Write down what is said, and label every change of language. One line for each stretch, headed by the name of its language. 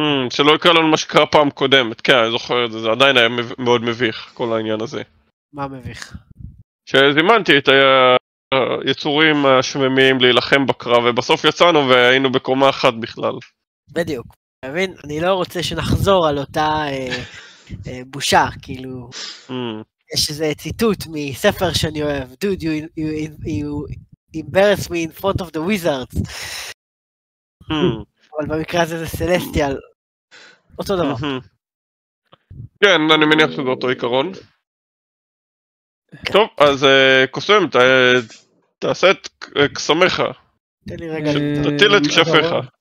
Hebrew: שלא יקרה לנו מה שקרה פעם קודמת, כן, אני זוכר את זה, זה עדיין היה מאוד מביך, כל העניין הזה. מה מביך? שזימנתי את היצורים השממיים להילחם בקרב, ובסוף יצאנו והיינו בקומה אחת בכלל. בדיוק. מבין? אני לא רוצה שנחזור על אותה... בושה, כאילו, יש איזה ציטוט מספר שאני אוהב,
English: dude, you embarrass me in front of the wizards.
Hebrew: אבל במקרה הזה זה סלסטיאל, אותו דבר. כן, אני מניח שזה אותו עיקרון. טוב, אז קוסם, תעשה את קסמך. תן לי רגע. תטיל את כשפיך.